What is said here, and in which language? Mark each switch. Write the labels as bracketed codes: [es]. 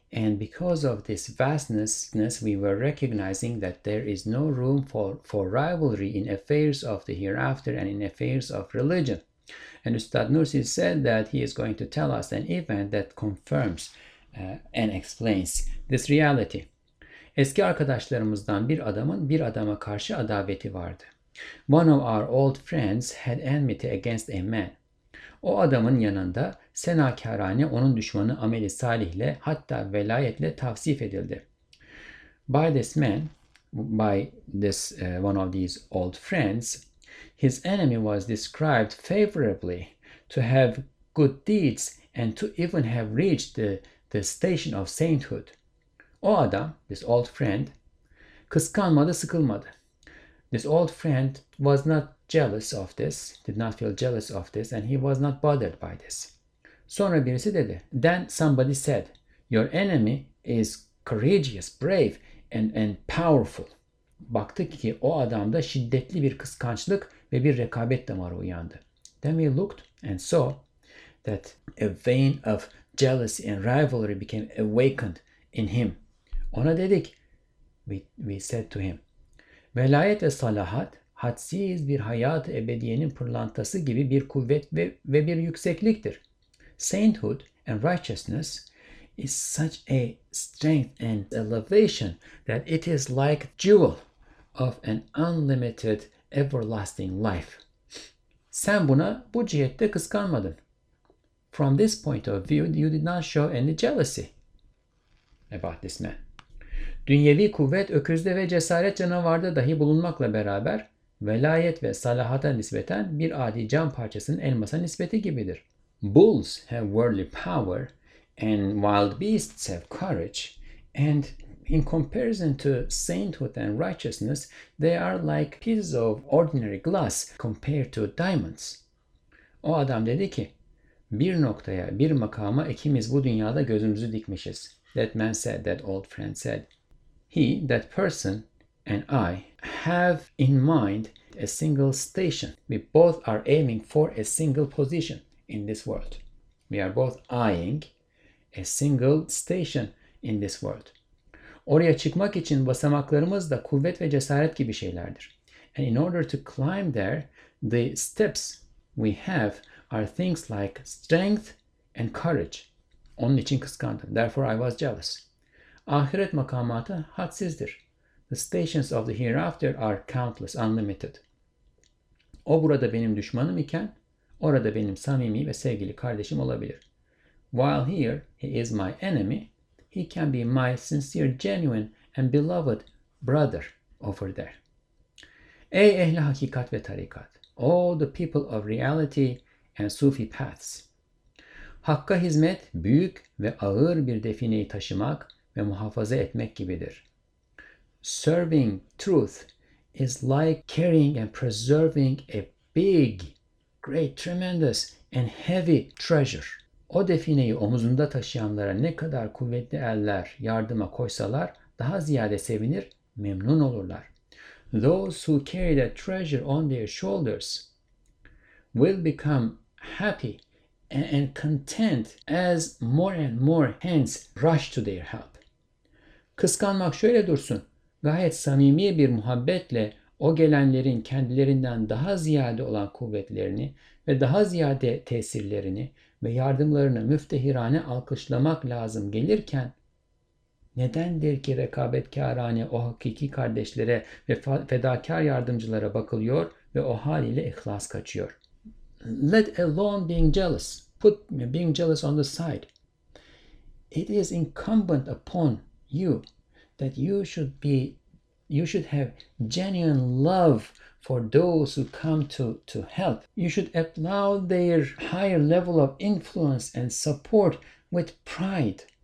[en] And because of this vastness, we were recognizing that there is no room for rivalry in affairs of the hereafter and in affairs of religion. And Ustad Nursi said that he is going to tell us an event that confirms and explains this reality. [tr] Eski arkadaşlarımızdan bir adamın bir adama karşı adaveti vardı. [en] One of our old friends had enmity against a man. [tr] O adamın yanında senakârâne onun düşmanı ameli salihle hatta velayetle tavsif edildi. [en] By this one of these old friends, his enemy was described favorably to have good deeds and to even have reached the station of sainthood. [tr] O adam, [en] this old friend, [tr] kıskanmadı, sıkılmadı. [en] This old friend was not jealous of this, did not feel jealous of this, and he was not bothered by this. [tr] Sonra birisi dedi. [en] Then somebody said, your enemy is courageous, brave, and powerful. [tr] Baktık ki o adamda şiddetli bir kıskançlık ve bir rekabet damarı uyandı. [en] Then we looked and saw that a vein of jealousy and rivalry became awakened in him. [tr] Ona dedik. [en] We said to him, [tr] velayet ve salahat, hadsiz bir hayat-ı ebediyenin pırlantası gibi bir kuvvet ve bir yüksekliktir. [en] Sainthood and righteousness is such a strength and elevation that it is like jewel of an unlimited everlasting life. [tr] Sen buna bu cihette kıskanmadın. [en] From this point of view, you did not show any jealousy about this man. [tr] Dünyevi kuvvet öküzde ve cesaret canavarda dahi bulunmakla beraber velayet ve salahata nispeten bir adi cam parçasının elmasa nispeti gibidir. [en] Bulls have worldly power and wild beasts have courage, and in comparison to sainthood and righteousness, they are like pieces of ordinary glass compared to diamonds. [tr] O adam dedi ki, bir noktaya, bir makama ikimiz bu dünyada gözümüzü dikmişiz. [en] That man said, that old friend said. He, that person, and I have in mind a single station. We both are aiming for a single position in this world. We are both eyeing a single station in this world. [tr] Oraya çıkmak için basamaklarımız da kuvvet ve cesaret gibi şeylerdir. [en] And in order to climb there, the steps we have are things like strength and courage. [tr] Onun için kıskandım. [en] Therefore I was jealous. [tr] Ahiret makamatı hadsizdir. [en] The stations of the hereafter are countless, unlimited. [tr] O burada benim düşmanım iken, orada benim samimi ve sevgili kardeşim olabilir. [en] While here he is my enemy, he can be my sincere, genuine and beloved brother over there. [tr] Ey ehli hakikat ve tarikat, [en] all the people of reality and Sufi paths. [tr] Hakka hizmet büyük ve ağır bir defineyi taşımak ve muhafaza etmek gibidir. [en] Serving truth is like carrying and preserving a big, great, tremendous and heavy treasure. [tr] O defineyi omuzunda taşıyanlara ne kadar kuvvetli eller yardıma koysalar daha ziyade sevinir, memnun olurlar. [en] Those who carry that treasure on their shoulders will become happy and content as more and more hands rush to their help. [tr] Kıskanmak şöyle dursun. Gayet samimi bir muhabbetle o gelenlerin kendilerinden daha ziyade olan kuvvetlerini ve daha ziyade tesirlerini ve yardımlarını müftehirane alkışlamak lazım gelirken, nedendir ki rekabetkârâne o hakiki kardeşlere ve fedakar yardımcılara bakılıyor ve o haliyle ihlas kaçıyor? [en] Let alone being jealous. Put being jealous on the side. It is incumbent upon you that you should have genuine love for those who come to help. You should applaud their higher level of influence and support with pride.